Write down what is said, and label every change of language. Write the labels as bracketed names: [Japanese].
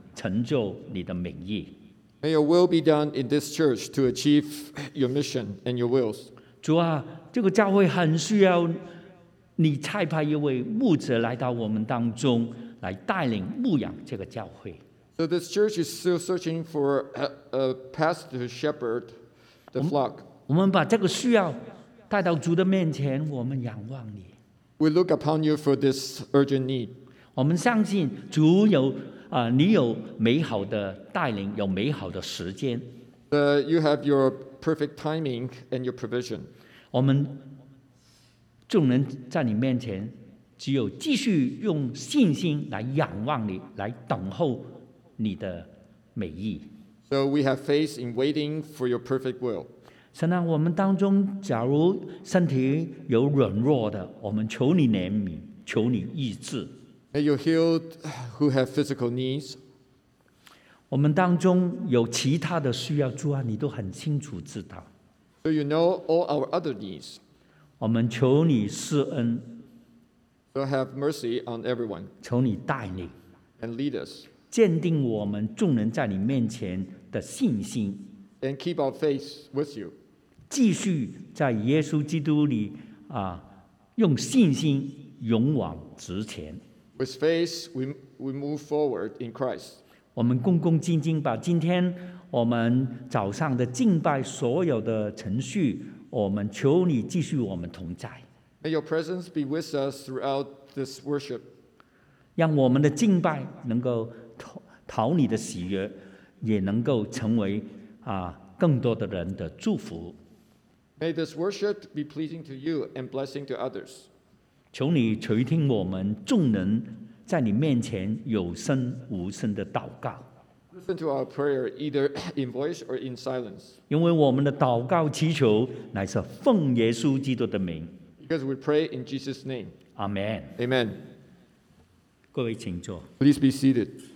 [Chinese] 成就你的名义。 [English] May your will be done in this church to achieve your mission and your wills. [Chinese] 主啊，这个教会很需要你差派一位牧者来到我们当中，来带领牧养这个教会。 [English] So this church is still searching for a pastor to shepherd the flock. [Chinese] 我们把这个需要带到主的面前，我们仰望你。 We look upon you for this urgent need. 我们相信主有。你有美好的带领，有美好的时间。 [English] You have your perfect timing and your provision. [Chinese] 我们众人在你面前，只有继续用信心来仰望你，来等候你的美意。 [English] So we have faith in waiting for your perfect will. [Chinese] 神啊，我们当中假如身体有软弱的，我们求你怜悯，求你医治。 [English] May you heal who have physical needs. [Chinese] 我们当中有其他的需要，主啊，你都很清楚知道。 [English] So you know all our other needs. [Chinese] 我们求你施恩。 [English] So have mercy on everyone. [Chinese] 求你带领。 [English] And lead us. [Chinese] 坚定我们众人在你面前的信心。 [English] And keep our faith with you. [Chinese] 继续在耶稣基督里啊，用信心勇往直前。 [English] With faith, we move forward in Christ. [Chinese] 我们恭恭敬敬把今天我们早上的敬拜所有的程序，我们求你继续我们同在。 [English] May your presence be with us throughout this worship. [Chinese] 让我们的敬拜能够讨你的喜悦，也能够成为更多的人的祝福。 [English] May this worship be pleasing to you and blessing to others. [Chinese] 求你垂听我们众人在你面前有声无声的祷告。 [English] Listen to our prayer, either in voice or in silence. [Chinese] 因为我们的祷告祈求乃是奉耶稣基督的名。 [English] Because we pray in Jesus' name. Amen. Amen. [Chinese] 各位请坐。 [English] Please be seated.